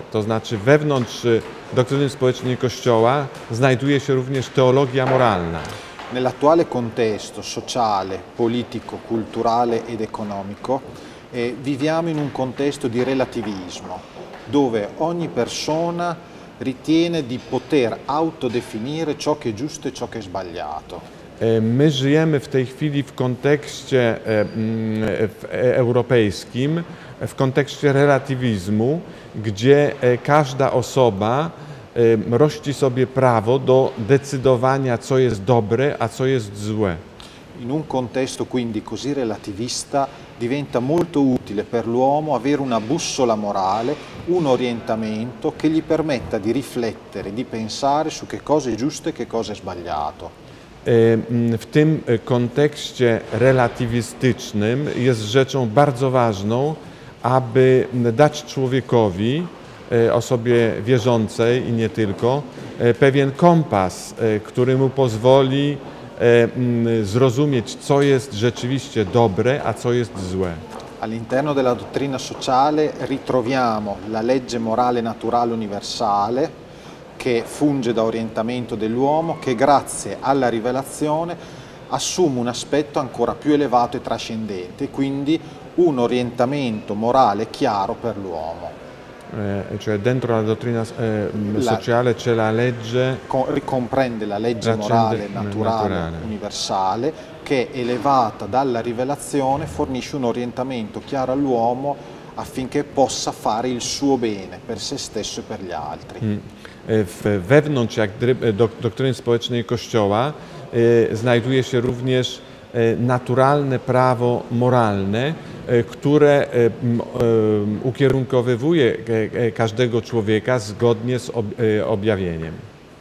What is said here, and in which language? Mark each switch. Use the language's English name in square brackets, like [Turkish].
[Polish] To znaczy wewnątrz doktryny społecznej Kościoła znajduje się również teologia moralna. [Italian] Nell'attuale contesto sociale, politico, culturale ed economico viviamo in un contesto di relativismo dove ogni persona ritiene di poter autodefinire ciò che è giusto e ciò che è sbagliato. [Polish] My żyjemy w tej chwili w kontekście europejskim, w kontekście relatywizmu, gdzie każda osoba rości sobie prawo do decydowania, co jest dobre, a co jest złe. [Italian] In un contesto quindi così relativista diventa molto utile per l'uomo avere una bussola morale, un orientamento che gli permetta di riflettere, di pensare su che cosa è giusto e che cosa è sbagliato. [Polish] W tym kontekście relatywistycznym jest rzeczą bardzo ważną, aby dać człowiekowi, osobie wierzącej i nie tylko, pewien kompas, który mu pozwoli zrozumieć, co jest rzeczywiście dobre, a co jest złe. [Italian] All'interno della dottrina sociale ritroviamo la legge morale naturale universale che funge da orientamento dell'uomo che grazie alla rivelazione assume un aspetto ancora più elevato e trascendente, quindi un orientamento morale chiaro per l'uomo. Cioè dentro la dottrina sociale c'è la legge ricomprende la legge morale naturale universale che elevata dalla rivelazione fornisce un orientamento chiaro all'uomo affinché possa fare il suo bene per se stesso e per gli altri. [Polish] Wewnątrz jak dottryny społecznej Kościoła znajduje się również naturalne prawo moralne, które ukierunkowywuje każdego człowieka zgodnie z objawieniem.